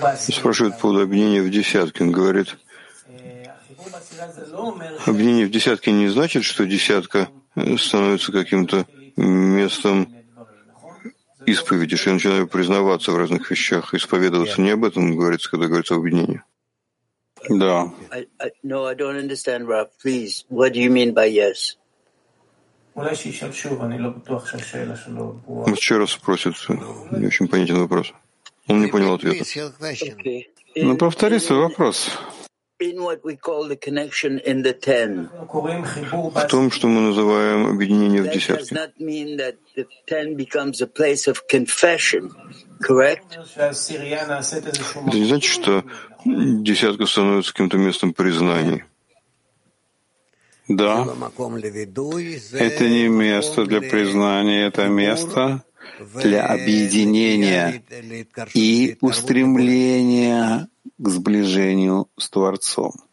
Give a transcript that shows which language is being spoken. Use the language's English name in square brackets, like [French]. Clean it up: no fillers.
[Russian] Спрашивает по объединению в десятке. Он говорит, объединение в десятке не значит, что десятка становится каким-то местом исповеди, что я начинаю признаваться в разных вещах, исповедоваться. Не об этом говорится, когда говорится об объединении. Да. [English] No, I don't understand, Rob. Please, what do you mean by yes? [Russian] Вот еще раз спросит. Не очень понятен вопрос. Он не понял ответа. Okay. Ну, повтори свой вопрос. [English] In what we call the connection in the ten. [Russian] В том, что мы называем объединение в десятке. [English] That does not mean that the ten becomes a place of confession, correct? [Russian] Это не значит, что десятка становится каким-то местом признаний. Да. Это не место для признания, это место для объединения и устремления к сближению с Творцом.